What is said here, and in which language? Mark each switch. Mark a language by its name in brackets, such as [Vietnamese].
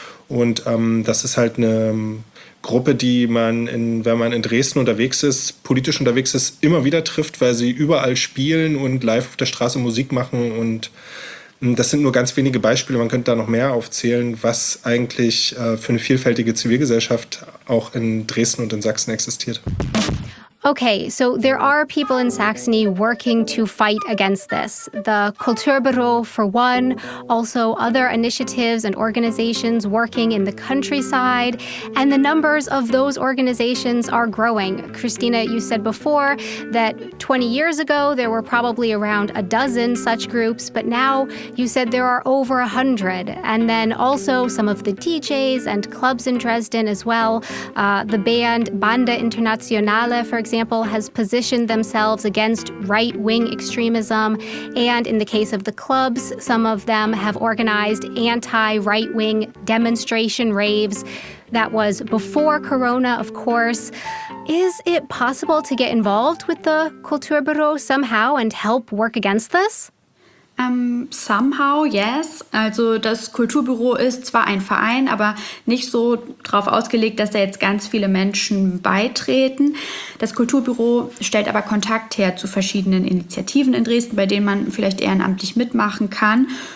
[German] Und das ist halt eine Gruppe, die man, wenn man in Dresden unterwegs ist, politisch unterwegs ist, immer wieder trifft, weil sie überall spielen und live auf der Straße Musik machen. Und das sind nur ganz wenige Beispiele. Man könnte da noch mehr aufzählen, was eigentlich für eine vielfältige Zivilgesellschaft auch in Dresden und in Sachsen existiert. [English] Okay, so there are people in Saxony working to fight against this. The Kulturbüro for one, also other initiatives and organizations working in the countryside, and the numbers of those organizations are growing. Christina, you said before that 20 years ago there were probably around a dozen such groups, but now you said there are over 100, and then also some of the DJs and clubs in Dresden as well. The band Banda Internationale, for example, example, has positioned themselves against right-wing extremism. And in the case of the clubs, some of them have organized anti-right-wing demonstration raves. That was before Corona, of course. Is it possible to get involved with the Kulturbüro somehow and help work against this? Somehow, yes. [German] Also das Kulturbüro ist zwar ein Verein, aber nicht so darauf ausgelegt, dass da jetzt ganz viele Menschen beitreten. Das Kulturbüro stellt aber Kontakt her zu verschiedenen Initiativen in Dresden, bei denen man vielleicht ehrenamtlich mitmachen kann.